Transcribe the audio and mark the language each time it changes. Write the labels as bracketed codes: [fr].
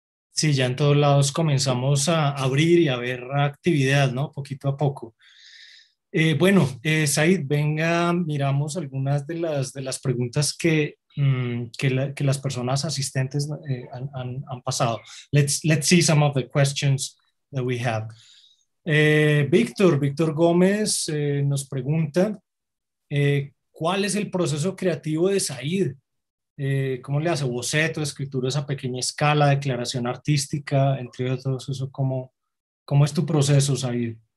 [es] Sí, ya en todos lados comenzamos a abrir y a ver actividad, ¿no? Poquito a poco. Said, venga, miramos algunas de las preguntas que las personas asistentes han pasado. [en] Let's see some of the questions that we have. [es] Víctor Gómez nos pregunta, ¿cuál es el proceso creativo de Said? ¿Cómo le hace boceto, escrituras a pequeña escala, declaración artística, entre otros? Eso, ¿cómo es tu proceso, Said?